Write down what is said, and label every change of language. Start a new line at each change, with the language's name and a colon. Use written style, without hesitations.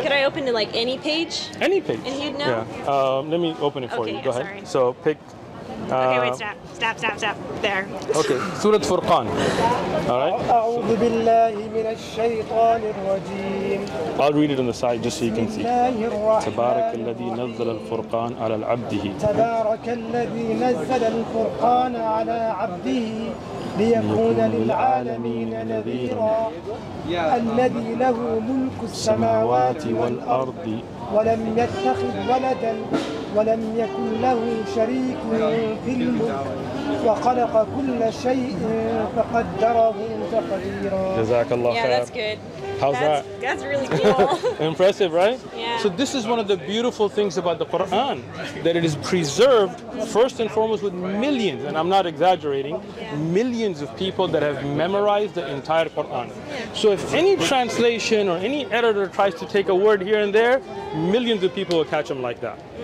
English: could I open to, like, any page? Any page. And he'd know? Yeah. Let me open it for you. Yeah, go ahead. So pick... Stop. There. Okay. Surat Furqan. All right. I'll read it on the side just so you can see.
Arabic: تبارك الذي نزل الفرقان على عبده. تبارك الذي نزل الفرقان على عبده. ليكون للعالمين نذيرا الذي له ملك السماوات والأرض ولم يتخذ ولدا ولم يكن له شريك في الملك وخلق كل شيء فقدره تقديرا جزاك الله خير.
English: Yeah, that's good. How's that's, that? That's really cool. Impressive, right? Yeah. So this is one of the beautiful things about the Quran, that it is preserved, first and foremost, with millions, and I'm not exaggerating, millions of people that have memorized the entire Quran. Yeah. So if any translation or any editor tries to take a word here and there, millions of people will catch them like that.